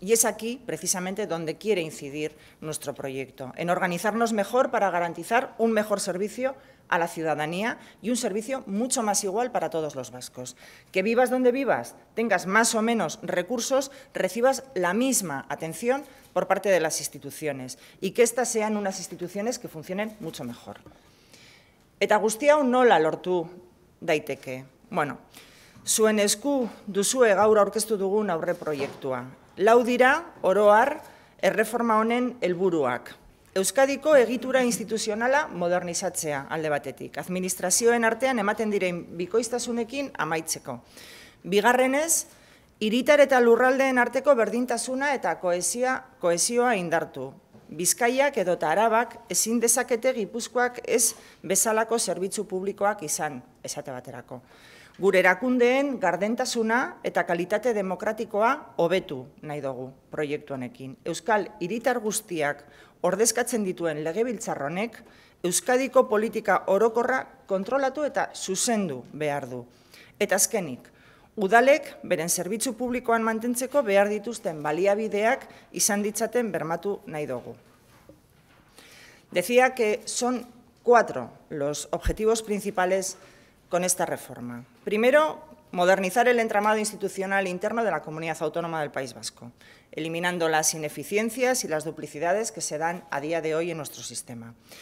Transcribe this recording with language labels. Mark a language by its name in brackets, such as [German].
[Spanish] Y es aquí, precisamente, donde quiere incidir nuestro proyecto, en organizarnos mejor para garantizar un mejor servicio a la ciudadanía y un servicio mucho más igual para todos los vascos. Que vivas donde vivas, tengas más o menos recursos, recibas la misma atención por parte de las instituciones y que éstas sean unas instituciones que funcionen mucho mejor. [Basque] Eta guztia nola lortu daiteke. Bueno, zuen esku duzue gaur aurkeztu dugun aurre proiektua. Lau dira, oro har, erreforma honen helburuak. Euskadiko egitura instituzionala modernizatzea alde batetik. Administrazioen artean ematen diren bikoiztasunekin amaitzeko. Bigarrenez, hiritar eta lurraldeen arteko berdintasuna eta kohesioa indartu. Bizkaiak edota Arabak ezin dezakete Gipuzkoak ez bezalako zerbitzu publikoak izan, esate baterako. Gure erakundeen gardentasuna eta kalitate demokratikoa hobetu nahi dugu proiektu honekin. Euskal hiritar guztiak ordezkatzen dituen legebiltzarronek Euskadiko politika orokorra kontrolatu eta zuzendu behar du. Eta azkenik, udalek beren zerbitzu publikoan mantentzeko behar dituzten baliabideak izan ditzaten bermatu nahi dugu. [Spanish] Decía que son cuatro los objetivos principales con esta reforma. Primero, modernizar el entramado institucional interno de la Comunidad Autónoma del País Vasco, eliminando las ineficiencias y las duplicidades que se dan a día de hoy en nuestro sistema.